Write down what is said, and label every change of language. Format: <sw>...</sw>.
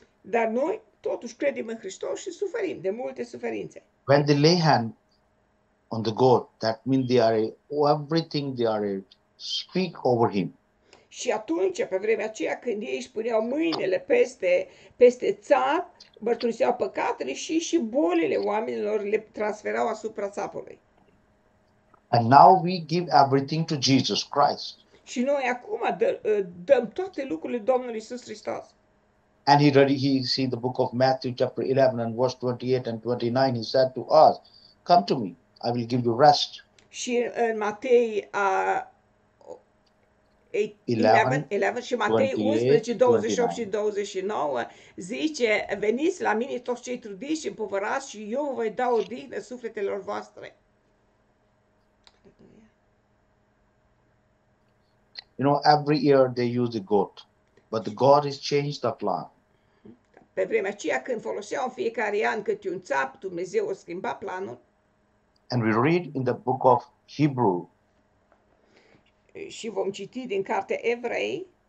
<ro>Dar noi totuși credem în Hristos și suferim de multe suferințe.</ro> <en>When they lay hand on the goat, that means they are everything they are speak over him.</en> <ro>Și atunci, pe vremea aceea, când ei își puneau mâinile peste țap, mărturiseau păcatele și bolile oamenilor le transferau asupra țapului.</ro> <en>And now we give everything to Jesus Christ.</en> <ro>Și noi acum dăm toate lucrurile Domnului Iisus Hristos.</ro> <en>And he read, he see the book of Matthew chapter 11 and verse 28 and 29, he said to us, come to me, I will give you rest.</en> <ro>Și în Matei 11 și Matei 11, 28 și 29 zice, veniți la mine toți cei trudiți și împovărați și eu voi da odihnă sufletelor voastre.</ro> <en>You know, every year they use the goat, but the God has changed the plan.</en> <ro>Pe vremea aceea când foloseau în fiecare an câte un țap, Dumnezeu a schimbat planul.</ro> <en>And we read in the book of Hebrew.</en> <ro>Și vom citi din cartea Evrei.</ro>